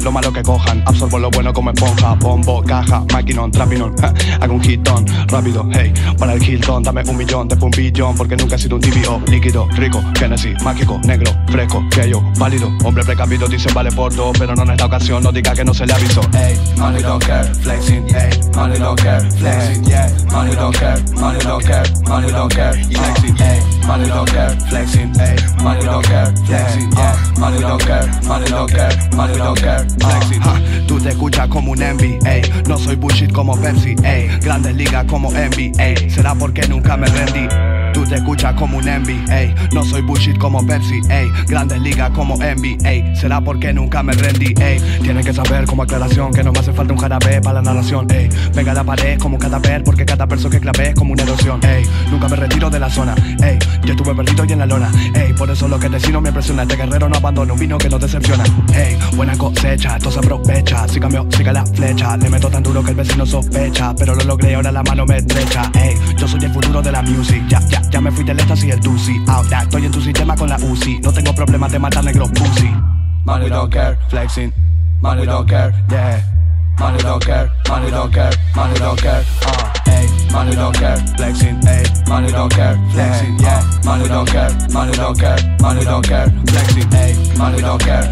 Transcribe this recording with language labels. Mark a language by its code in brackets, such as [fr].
[es] Lo malo que cojan, absorbo lo bueno como esponja. Bombo, caja, maquinón, trapinón, hago un hitón, rápido, hey. Para el Hilton, dame un millón, después un billón, porque nunca he sido un tibio. Líquido, rico, Genesis, mágico, negro, fresco, que yo, válido. Hombre precavido, dicen vale por dos, pero no en esta ocasión, no diga que no se le avisó. [en] Ey, money don't care, flexing, ey, money don't care, flexing, yeah. Money don't care, money don't care, money don't care, flexing, ey, money don't care, flexing, ey, money don't care, flexing, yeah. Money don't care, money don't care, money don't care, flexing. [es] Tú te escuchas como un envy, ey, no soy bullshit como Pepsi, ey, grandes ligas como envy, ey, será porque nunca me rendí. Tú te escuchas como un envy, ey, no soy bullshit como Pepsi, ey, grandes ligas como envy, ey, será porque nunca me rendí, ey. Tienen que saber como aclaración que no me hace falta un jarabe para la narración, ey. Venga la pared como un cadáver porque cada verso que clave es como una erosión, ey. Nunca me retiro de la zona, ey, yo estuve perdido y en la lona, ey. Por eso lo que destino me impresiona, este guerrero no abandona un vino que no decepciona, ey. Buena cosecha, todo se aprovecha, si cambio sigue la flecha. Le meto tan duro que el vecino sospecha, pero lo logré, ahora la mano me estrecha, ey. Yo soy el futuro de la music, ya, ya. Ya me fui del esta y el Duzi. Ahora estoy en tu sistema con la Uzi. No tengo problema de matar negro Uzi. [en] Money don't care, flexing. Money don't care, yeah. Money don't care, money don't care, money don't care. Money don't care, flexing, ey. Money don't care, flexing, yeah. Money don't care, money don't care, money don't care, flexing, ey. Money don't care,